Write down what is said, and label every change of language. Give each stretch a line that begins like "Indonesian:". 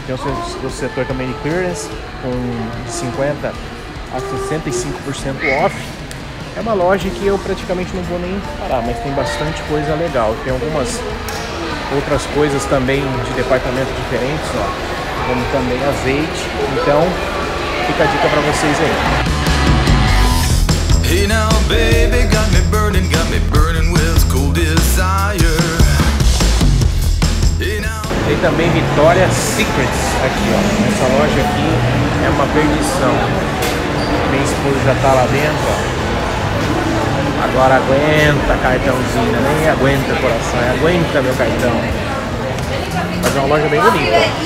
Portuguese: Tem o setor também de clearance, com 50% a 65% off. É uma loja que eu praticamente não vou nem parar, mas tem bastante coisa legal. Tem algumas outras coisas também de departamento diferentes, ó. Como também azeite. Então, fica a dica pra vocês aí.
English: Hey now, baby, got me burning, got me burning with cold desire. Hey now...
Portuguese: Tem também Victoria's Secret aqui, ó. Essa loja aqui é uma perdição. Minha esposa já tá lá dentro, ó. Agora aguenta, cartãozinho, nem aguenta, coração, aguenta, meu cartão. Mas é uma loja bem bonita.